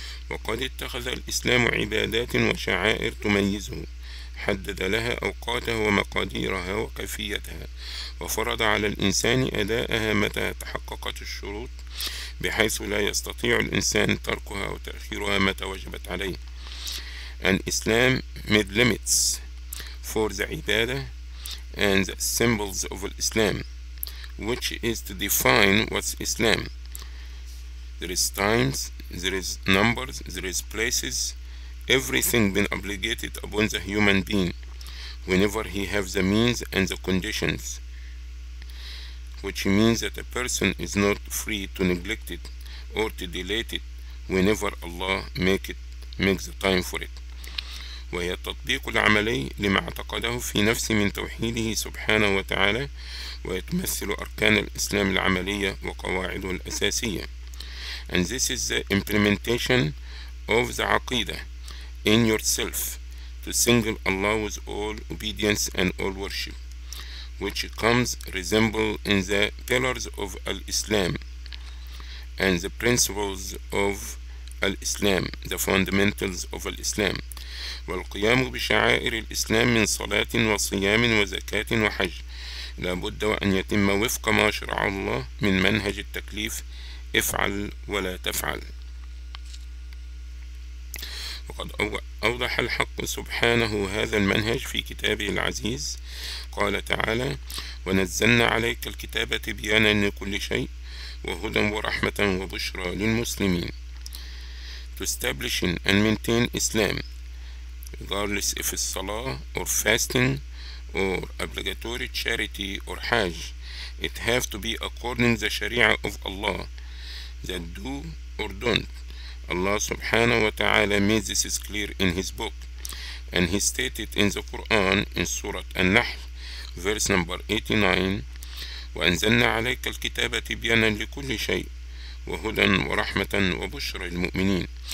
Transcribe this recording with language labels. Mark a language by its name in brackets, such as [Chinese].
[Arabic] وقد اتخذ الإسلام عبادات وشعائر تميزه، حدد لها أوقاتها ومقاديرها وكيفيتها، وفرض على الإنسان أداءها متى تحققت الشروط بحيث لا يستطيع الإنسان تركها وتأخيرها متى وجبت عليه. [English] An Islam made limits for the ibadah and the symbols of Islam, which is to define what's Islam. There is times, there is numbers, there is places, everything been obligated upon the human being whenever he have the means and the conditions, which means that a person is not free to neglect it or to delay it whenever Allah makes the time for it. [Arabic] وهي التطبيق العملي لما اعتقده في نفسه من توحيده سبحانه وتعالى، ويتمثل أركان الإسلام العملية وقواعده الأساسية. [English] And this is the implementation of the aqidah in yourself to single Allah with all obedience and all worship, which comes resemble in the pillars of al-Islam and the principles of al-Islam, the fundamentals of al-Islam. [Arabic] والقيام بشعائر الإسلام من صلاة وصيام وزكاة وحج لا بد وأن يتم وفق ما شرع الله من منهج التكليف افعل ولا تفعل. وقد أوضح الحق سبحانه هذا المنهج في كتابه العزيز، قال تعالى: ونزلنا عليك الكتاب تبيانا لكل شيء وهدى ورحمة وبشرى للمسلمين. [English] To establish and maintain Islam regardless if it's Salah or fasting or obligatory charity or Hajj, it have to be according to the Sharia of Allah that do or don't. Allah subhanahu wa ta'ala made this is clear in his book, and he stated in the Quran in Surah An-Nahl verse number 89: [Arabic] وَأَنْزَلْنَا عَلَيْكَ الْكِتَابَ تِبْيَانًا لِكُلِّ شَيْءٍ وَهُدًى وَرَحْمَةً وَبُشْرَى لِلْمُؤْمِنِينَ.